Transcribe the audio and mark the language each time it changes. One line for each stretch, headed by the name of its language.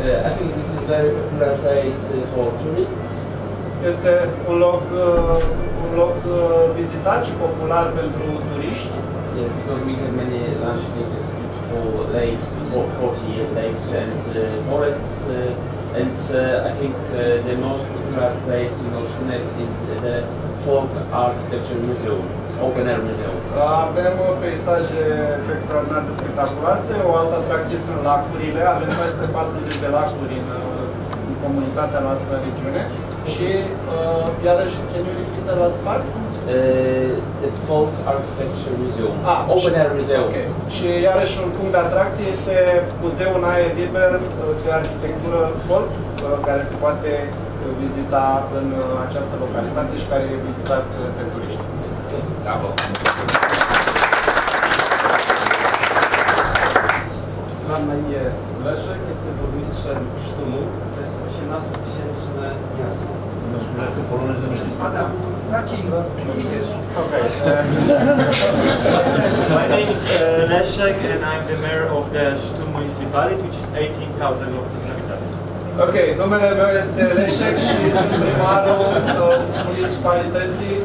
English: I think this is a very popular place for tourists.
Romanian: Este un loc vizitat și popular pentru turiști.
English: Yes, because we have many landscapes, beautiful lakes, 40 lakes and forests. And I think the most popular place in Olsztynek is the Folk Architecture Museum, Open Air Museum.
Romanian: Avem o peisaje extraordinar de spectaculoase, o altă atracție sunt lacurile. Avem peste 40 de lacuri în, în comunitatea noastră, în regiune. Și iarăși,
English: can you repeat the last part? The Folk Architecture Museum, Open Air Museum. Okay.
Romanian: Și iarăși un punct de atracție este muzeul în aer liber de arhitectură folk, care se poate vizita în această localitate și care e vizitat de turiști. Bravo!
Polish: Mam na imię Leszek, jestem burmistrzem Sztumu. To jest 18-tysięczne miasto.
English: My name is Leszek and I'm the mayor of the Sztum municipality, which is 18,000 of inhabitants.
Romanian: Okay, numele meu este Leszek și sunt primarul municipalității.